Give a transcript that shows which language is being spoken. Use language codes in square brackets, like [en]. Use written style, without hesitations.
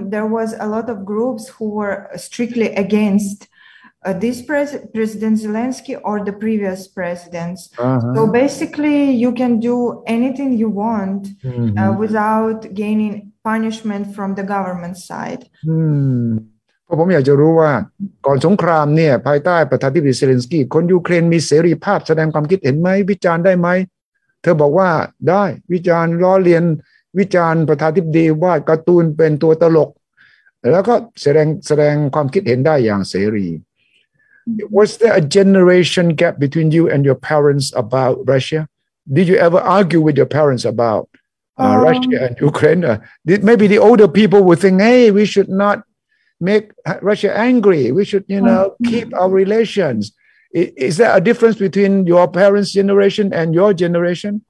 [en] There was a lot of groups who were strictly against President Zelensky or the previous presidents. So basically, you can do anything you want without gaining punishment from the government side. [th] เพราะผมอยากจะรู้ว่าก่อนสงครามเนี่ยภายใต้ประธานาธิบดีเซเลนสกี้คนยูเครนมีเสรีภาพแสดงความคิดเห็นไหมวิจารณ์ได้ไหมเธอบอกว่าได้วิจารณ์ล้อเลียนวิจารณ์ประธานาธิบดีว่าการ์ตูนเป็นตัวตลกแล้วก็แสดงความคิดเห็นได้อย่างเสรี [en] Was there a generation gap between you and your parents about Russia? Did you ever argue with your parents about Russia and Ukraine? Maybe the older people would think, hey, we should notmake Russia angry. We should, you know, keep our relations. Is there a difference between your parents' generation and your generation?